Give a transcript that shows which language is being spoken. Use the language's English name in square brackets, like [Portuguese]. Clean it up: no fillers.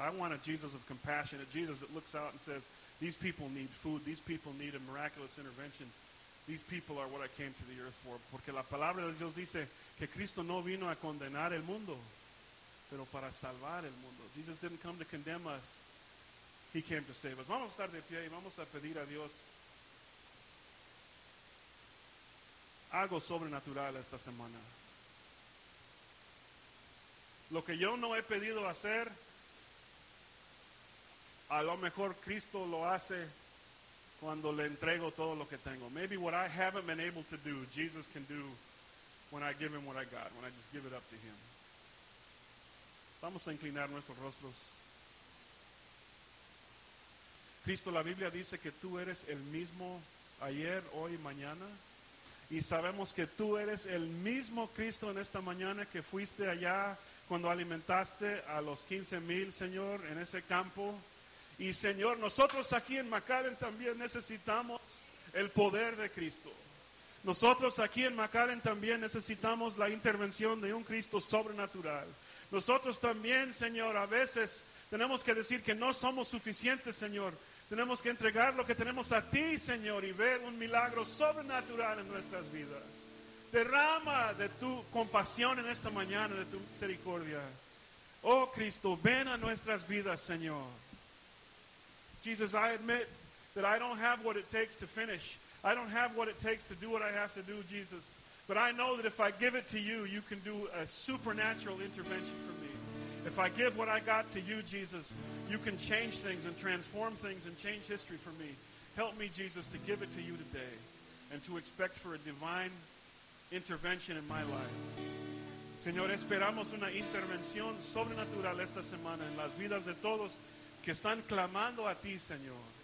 [English] I want a Jesus of compassion, a Jesus that looks out and says, these people need food. These people need a miraculous intervention. These people are what I came to the earth for. [Spanish] Porque la palabra de Dios dice que Cristo no vino a condenar el mundo, pero para salvar el mundo. [English] Jesus didn't come to condemn us. He came to save us. [Spanish] Vamos a estar de pie y vamos a pedir a Dios algo sobrenatural esta semana. Lo que yo no he pedido hacer, a lo mejor Cristo lo hace cuando le entrego todo lo que tengo. [English] Maybe what I haven't been able to do, Jesus can do when I give Him what I got, when I just give it up to Him. [Spanish] Vamos a inclinar nuestros rostros. Cristo, la Biblia dice que tú eres el mismo ayer, hoy y mañana. Y sabemos que tú eres el mismo Cristo en esta mañana que fuiste allá cuando alimentaste a los 15,000, Señor, en ese campo. Y Señor, nosotros aquí en McAllen también necesitamos el poder de Cristo. Nosotros aquí en McAllen también necesitamos la intervención de un Cristo sobrenatural. Nosotros también, Señor, a veces tenemos que decir que no somos suficientes, Señor, Tenemos que entregar lo que tenemos a ti, Señor, y ver un milagro sobrenatural en nuestras vidas. Derrama de tu compasión en esta mañana, de tu misericordia. Oh, Cristo, ven a nuestras vidas, Señor. [English] Jesus, I admit that I don't have what it takes to finish. I don't have what it takes to do what I have to do, Jesus. But I know that if I give it to you, you can do a supernatural intervention for me. If I give what I got to you, Jesus, you can change things and transform things and change history for me. Help me, Jesus, to give it to you today and to expect for a divine intervention in my life. [Spanish] Señor, esperamos una intervención sobrenatural esta semana en las vidas de todos que están clamando a ti, Señor.